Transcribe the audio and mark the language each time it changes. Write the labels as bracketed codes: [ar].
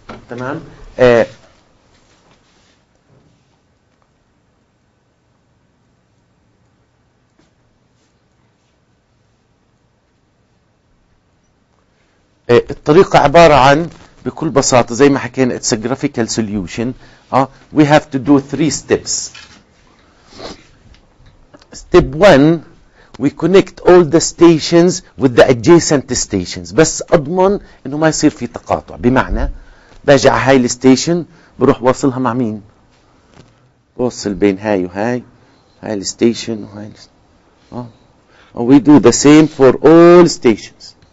[ar] تمام؟ الطريقة عبارة عن بكل بساطة زي ما حكينا [en] it's a graphical solution. We have to do three steps. Step one, we connect all the stations with the adjacent stations. [ar] بس أضمن إنه ما يصير في تقاطع، بمعنى باجع هاي الستيشن بروح وصلها مع مين؟ وصل بين هاي وهاي، هاي الستيشن وهاي الستيشن. [en] We do the same for all stations.